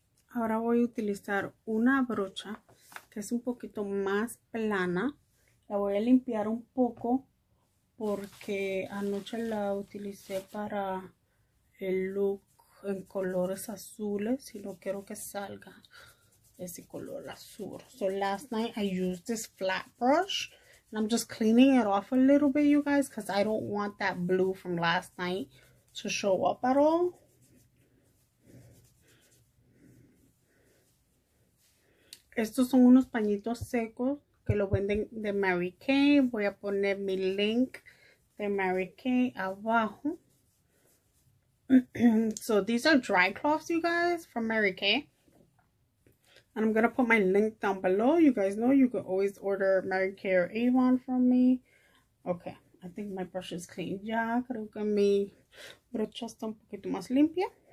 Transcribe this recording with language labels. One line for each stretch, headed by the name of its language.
Spanish: Ahora voy a utilizar una brocha que es un poquito más plana. La voy a limpiar un poco porque anoche la utilicé para el look en colores azules y no quiero que salga ese color azul.
English: So last night I used this flat brush and I'm just cleaning it off a little bit, you guys, because I don't want that blue from last night to show up at all.
Spanish: Estos son unos pañitos secos que lo venden de Mary Kay. Voy a poner mi link de Mary Kay abajo.
English: So these are dry cloths, you guys, from Mary Kay. And I'm gonna put my link down below. You guys know you can always order Mary Kay or Avon from me. Okay, I think my brush is clean.
Spanish: Ya, creo que mi brocha está un poquito más limpia.